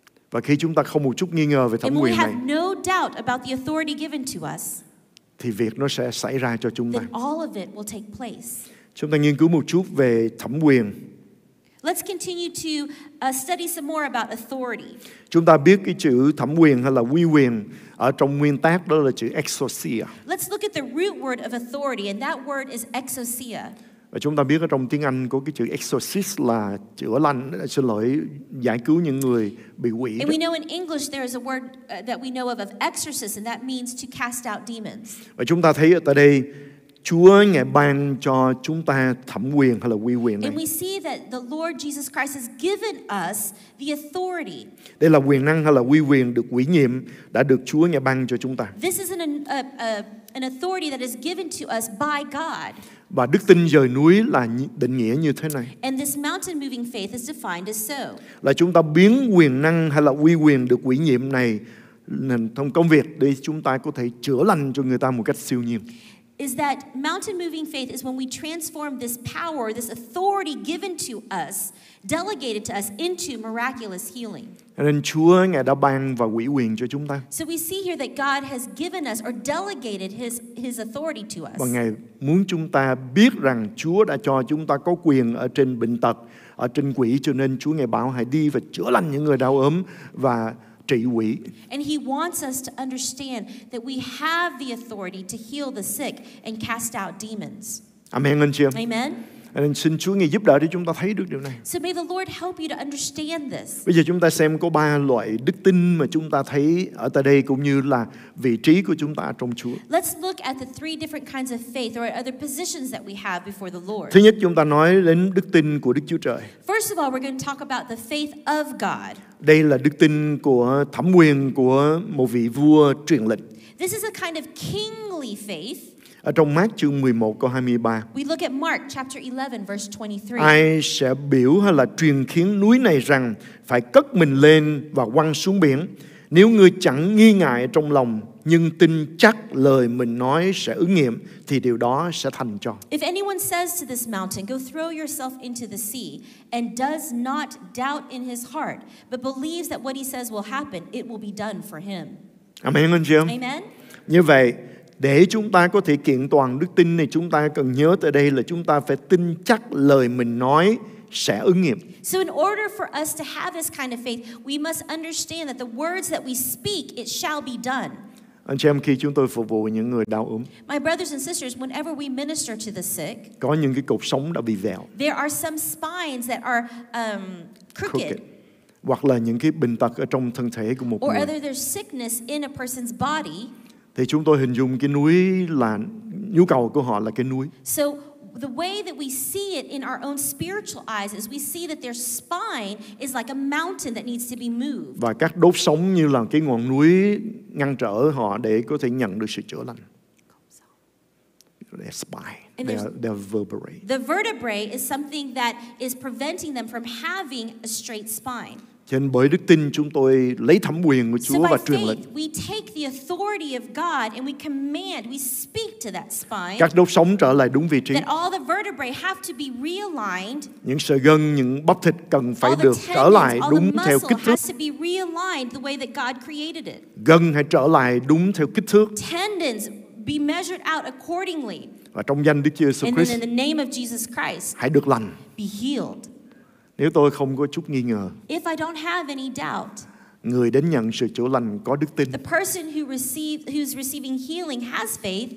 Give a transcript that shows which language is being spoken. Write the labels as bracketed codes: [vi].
[vi] Và khi chúng ta không một chút nghi ngờ về thẩm quyền này, [en] no doubt about the authority given to us, [vi] thì việc nó sẽ xảy ra cho chúng ta. [en] Then all of it will take place. [vi] Chúng ta nghiên cứu một chút về thẩm quyền. [en] Let's continue to study some more about authority. [vi] Chúng ta biết cái chữ thẩm quyền hay là uy quyền ở trong nguyên tác đó là chữ exousia. [en] Let's look at the root word of authority, and that word is exousia. [vi] Và chúng ta biết ở trong tiếng Anh có cái chữ exorcist là chữa lành, xin lỗi, giải cứu những người bị quỷ. [en] And we know in English there is a word that we know of exorcist, and that means to cast out demons. [vi] Và chúng ta thấy ở tại đây Chúa Ngài ban cho chúng ta thẩm quyền hay là uy quyền này. [en] And we see that the Lord Jesus Christ has given us the authority. [vi] Đây là quyền năng hay là uy quyền được ủy nhiệm đã được Chúa Ngài ban cho chúng ta. [en] This is an authority that is given to us by God. [vi] Và đức tin dời núi là định nghĩa như thế này. [en] And this mountain moving faith is defined as so. [vi] Là chúng ta biến quyền năng hay là uy quyền được ủy nhiệm này thành công việc để chúng ta có thể chữa lành cho người ta một cách siêu nhiên. [en] Is that mountain moving faith is when we transform this power, this authority given to us, delegated to us into miraculous healing. [vi] Nên Chúa Ngài đã ban và ủy quyền cho chúng ta. [en] So we see here that God has given us or delegated his authority to us. [vi] Và Ngài muốn chúng ta biết rằng Chúa đã cho chúng ta có quyền ở trên bệnh tật, ở trên quỷ, cho nên Chúa Ngài bảo hãy đi và chữa lành những người đau ốm và [en] and he wants us to understand that we have the authority to heal the sick and cast out demons. [vi] Amen, anh chị em. [en] Amen. [vi] Nên xin Chúa Ngài giúp đỡ để chúng ta thấy được điều này. [en] So may the Lord help you to understand this. [vi] Bây giờ chúng ta xem có ba loại đức tin mà chúng ta thấy ở tại đây cũng như là vị trí của chúng ta trong Chúa. [en] Let's look at the three different kinds of faith or other positions that we have before the Lord. [vi] Thứ nhất chúng ta nói đến đức tin của Đức Chúa Trời. [en] First of all, we're going to talk about the faith of God. [vi] Đây là đức tin của thẩm quyền của một vị vua truyền lệnh. [en] This is a kind of kingly faith. [vi] Ở trong Mark chương 11 câu 23. [en] We look at Mark chapter 11 verse 23. [vi] Ai sẽ biểu hay là truyền khiến núi này rằng phải cất mình lên và quăng xuống biển, nếu ngươi chẳng nghi ngại trong lòng nhưng tin chắc lời mình nói sẽ ứng nghiệm thì điều đó sẽ thành cho. [en] If anyone says to this mountain, go throw yourself into the sea, and does not doubt in his heart, but believes that what he says will happen, it will be done for him. [vi] Amen, anh chị em. [en] Amen. [vi] Như vậy để chúng ta có thể kiện toàn đức tin này, chúng ta cần nhớ tại đây là chúng ta phải tin chắc lời mình nói sẽ ứng nghiệm. [en] So in order for us to have this kind of faith, we must understand that the words that we speak, it shall be done. [vi] Anh chị em, khi chúng tôi phục vụ những người đau ốm, [en] my brothers and sisters, whenever we minister to the sick, [vi] có những cái cột sống đã bị vẹo, [en] there are some spines that are crooked. [vi] Hoặc là những cái bệnh tật ở trong thân thể của một [en] or [vi] người, [en] or other there's sickness in a person's body, [vi] Thì chúng tôi hình dung cái núi là nhu cầu của họ là cái núi. [en] So the way that we see it in our own spiritual eyes is we see that their spine is like a mountain that needs to be moved. [vi] Và các đốt sống như là cái ngọn núi ngăn trở họ để có thể nhận được sự chữa lành. [en] Their spine, their vertebrae. The vertebrae is something that is preventing them from having a straight spine. [vi] Cho nên bởi đức tin chúng tôi lấy thẩm quyền của Chúa và truyền lệnh. [en] We take the authority of God and we command, we speak to that spine. [vi] Các đốt sống trở lại đúng vị trí. [en] That all the vertebrae have to be realigned. [vi] Những sợi gân, những bắp thịt cần phải được trở lại đúng theo kích thước. [en] All the muscle has to be realigned the way that God created it. [vi] Gân hãy trở lại đúng theo kích thước. [en] Tendons be measured out accordingly. [vi] Và trong danh Đức Chúa Jesus Christ. [en] And then in the name of Jesus Christ. [vi] Hãy được lành. [en] Be healed. [vi] Nếu tôi không có chút nghi ngờ, [en] if I don't have any doubt, [vi] người đến nhận sự chữa lành có đức tin, [en] the person who receive, who's receiving healing has faith,